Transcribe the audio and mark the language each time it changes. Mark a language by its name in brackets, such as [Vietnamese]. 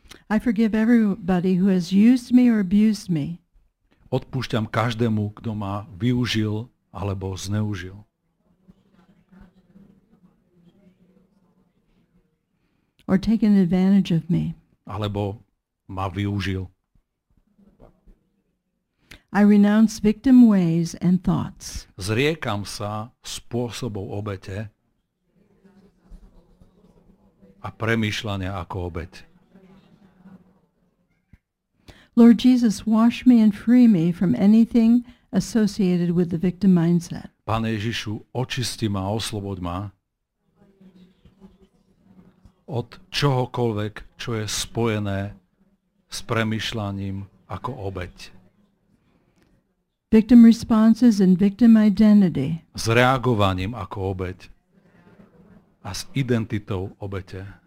[English] I forgive everybody who has used me or abused me. [Slovak] Odpúšťam každému, kto ma využil alebo zneužil. [English] Or taken advantage of me. [Slovak] Alebo ma využil. [English] I renounce victim ways and thoughts. [Slovak] Zriekam sa spôsobov obete a premýšľania ako obeť. [English] Lord Jesus, wash me and free me from anything associated with the victim mindset. [Slovak] Pane Ježišu, očisti ma, osloboď ma od čohokoľvek, čo je spojené s premýšľaním ako obeť. [English] Victim responses and victim identity. [Slovak] S reagovaním ako obeť a s identitou obete.